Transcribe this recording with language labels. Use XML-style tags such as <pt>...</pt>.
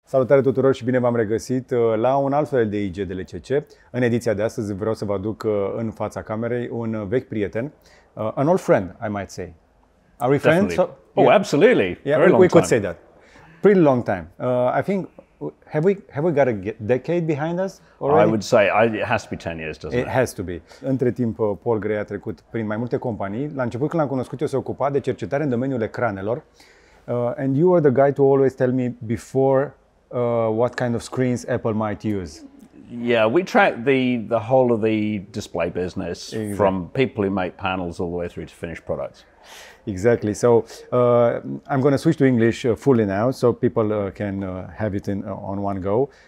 <ro>Salutare tuturor și bine v-am regăsit la un alt fel de IGDLCC. În ediția de astăzi vreau să vă aduc în fața camerei un vechi prieten,</ro> <en>an old friend, I might say. Are we friends? Definitely. Oh, yeah. Absolutely. Yeah, very long we Could say that. Pretty long time. I think have we got a decade behind us already? I would say it has to be 10 years, doesn't it? It has to be.</en> <ro>Între timp Paul Gray a trecut prin mai multe companii. La început când l-am cunoscut, eu se ocupa de cercetare în domeniul ecranelor.</ro> <en>And you were the guy to always tell me before what kind of screens Apple might use. Yeah, we track the whole of the display business exactly. From people who make panels all the way through to finished products. Exactly. So I'm going to switch to English fully now so people can have it in on one go.</en>